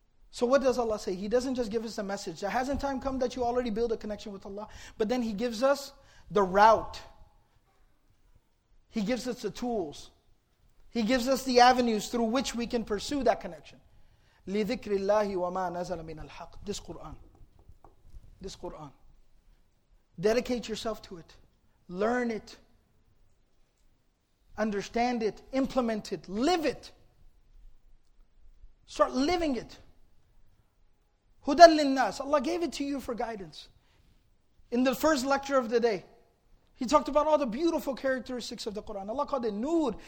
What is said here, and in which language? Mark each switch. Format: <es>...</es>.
<en>So what does Allah say? He doesn't just give us a message. There hasn't time come that you already build a connection with Allah. But then He gives us the route. He gives us the tools. He gives us the avenues through which we can pursue that connection.</en> <ar>لِذِكْرِ اللَّهِ وَمَا نَزَلَ مِنَ الْحَقِّ</ar> <en>This Qur'an. This Qur'an. Dedicate yourself to it. Learn it. Understand it. Implement it. Live it. Start living it.</en> <ar>هُدَى لِلنَّاسِ</ar> <en>Allah gave it to you for guidance. In the first lecture of the day, He talked about all the beautiful characteristics of the Qur'an. Allah called it nur.</en>